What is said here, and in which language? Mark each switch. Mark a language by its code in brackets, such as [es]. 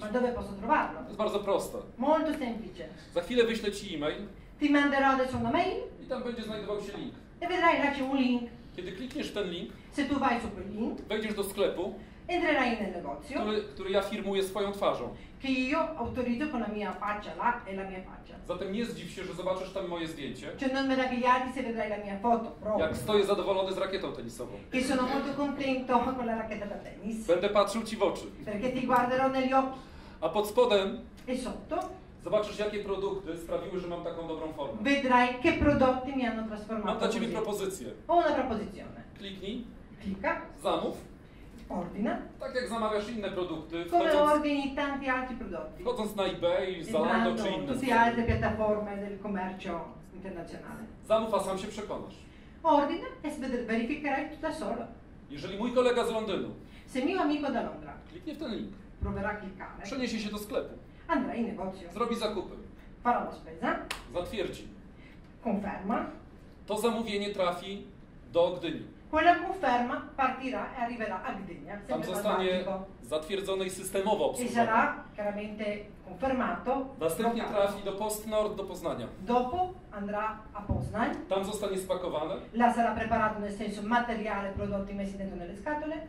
[pl] To jest bardzo proste. Za chwilę wyślę ci e-mail i tam będzie znajdował się link. [it] E vedrai là c'è un link. [pl] Kiedy klikniesz ten link, [it] se tu vai sul link, [pl] wejdziesz do sklepu, [it] entrerai nel negozio, [pl] który ja firmuję swoją twarzą, [it] che io autorizzo con la mia faccia là e la mia faccia. [pl] Zatem nie zdziw się, że zobaczysz tam moje zdjęcie. [it] Cioè non meravigliarti se vedrai la mia foto, proprio. [pl] Jak stoję zadowolony z rakietą tenisową. [it] Che sono molto contento con la racchetta da tennis. [pl] Będę patrzył ci w oczy. [it] Perché ti guarderò negli occhi. [pl] A pod spodem? [it] E sotto? [pl] Zobaczysz, jakie produkty sprawiły, że mam taką dobrą formę. [it] Vedrai che prodotti mi hanno trasformato. [pl] Mam dla ciebie propozycję. [it] Ho una proposizione. [pl] Kliknij. [it] Klika. [pl] Zamów. [it] Ordina. [pl] Tak jak zamawiasz inne produkty. [it] Come ordini tanti altri prodotti. [pl] Wchodząc na eBay, Zalando czy inne. [it] Tutti altre piattaforme del commercio internazionale. [pl] Zamów, a sam się przekonasz. [it] Ordina e verificherai tutta sola. [pl] Jeżeli mój kolega z Londynu. [it] Se mio amico da Londra. [pl] Kliknie w ten link. [it] Proverà a cliccare. [pl] Przeniesie się do sklepu. [it] Andrà in negozio. [pl] Zrobi zakupy. [it] Farà la spesa. [pl] Zatwierdzi. [it] Conferma. [pl] To zamówienie trafi do Gdyni. [it] Quella conferma partirà e arriverà a Gdynia. [pl] Tam zostanie zatwierdzone i systemowo obsługane. [it] E sarà chiaramente confermato. [pl] Następnie trafi do PostNord do Poznania. [it] Dopo andrà a Poznań. [pl] Tam zostanie spakowane. [it] La sarà preparato nel senso materiale prodotti messi dentro nelle scatole.